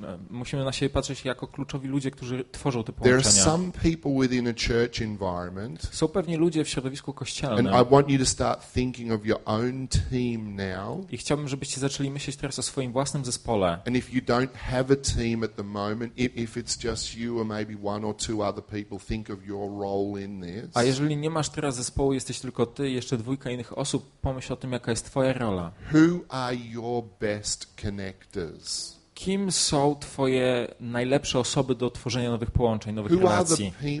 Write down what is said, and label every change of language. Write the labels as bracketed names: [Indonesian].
[Polish] Musimy na siebie patrzeć jako kluczowi ludzie, którzy tworzą te połączenia. [English] There are some people within a church environment. [Polish] Są pewnie ludzie w środowisku kościelnym. [English] And I want you to start thinking of your own team now. [Polish] I chciałbym, żebyście zaczęli myśleć teraz o swoim własnym zespole. [English] And if you don't have a team at the moment, if it's just you or maybe one or two other people, think of your role in this. [Polish] A jeżeli nie masz teraz zespołu, jesteś tylko ty i jeszcze dwójka innych osób, pomyśl o tym, jaka jest twoja rola. [English] Who are your best connectors? [Polish] kim są twoje najlepsze osoby do tworzenia nowych połączeń, nowych relacji?